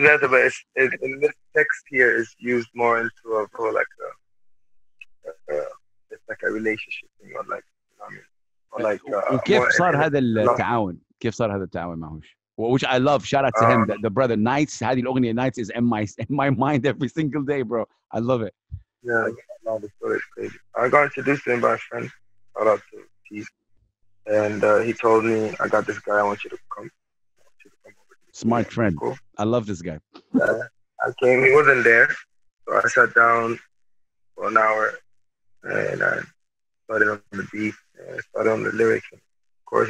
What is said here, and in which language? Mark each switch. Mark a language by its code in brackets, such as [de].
[ar] بس يعني [en] in this text here is used more into a role like it's like a relationship thing or like you know what I mean? Or like [ar] وكيف صار هذا التعاون كيف صار هذا التعاون معهوش [en] which I love, shout out to him, the brother Nights, [ar] هذه الأغنية [en] Nights is in my mind every single day, bro. I love it. Yeah, no, the story is crazy. I got introduced to him by a friend, shout out to Keith, and he told me, I got this guy, I want you to come over here. Smart friend. Cool. I love this guy. I came, he wasn't there, so I sat down for an hour, and I started on the beat, and I started on the lyrics, and of course.